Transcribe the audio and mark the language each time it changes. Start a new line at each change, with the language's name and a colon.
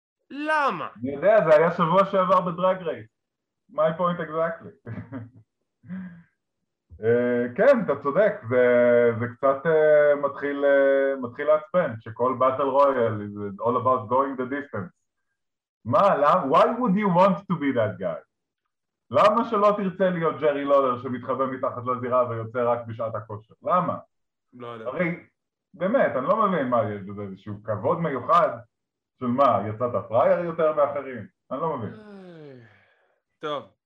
Hebrew: למה? אני יודע, זה היה שבוע שעבר בדרג רייס.
English: My point exactly.
Hebrew: כן, אתה צודק, זה קצת מתחיל להצפן, שכל
English: battle royale is all about going the distance.
Hebrew: מה, למה?
English: Why would you want to be that guy?
Hebrew: למה שלא תרצה להיות ג'רי לולר שמתחבא מתחת לזירה ויוצא רק בשעת הכושר? למה? לא יודע. הרי, באמת, אני לא מבין מה יש בזה, איזשהו כבוד מיוחד של מה, יצאת פרייר יותר מאחרים? אני לא מבין. טוב.